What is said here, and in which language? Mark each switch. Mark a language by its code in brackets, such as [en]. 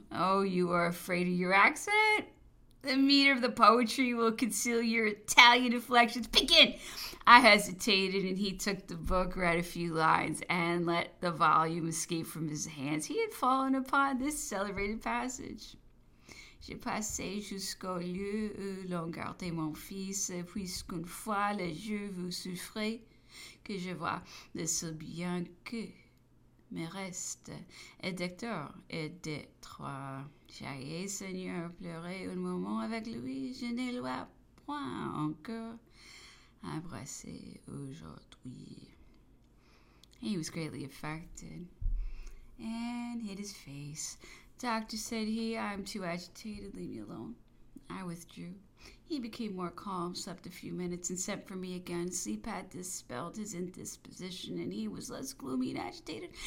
[en] Oh, you are afraid of your accent? The meter of the poetry will conceal your Italian inflections. Begin! I hesitated, and he took the book, read a few lines, and let the volume escape from his hands. He had fallen upon this celebrated passage. [fr] J'ai passé jusqu'au lieu où l'on gardait mon fils, puisqu'une fois le jeu vous souffrait, que je vois le seul bien que me reste, et d'acteur et de trois. J'ai, Seigneur, pleuré un moment avec lui. Je ne l'ai point encore embrassé aujourd'hui. [en] He was greatly affected and hid his face. Doctor, said he, I'm too agitated. Leave me alone. I withdrew. He became more calm, slept a few minutes, and sent for me again. Sleep had dispelled his indisposition, and he was less gloomy and agitated.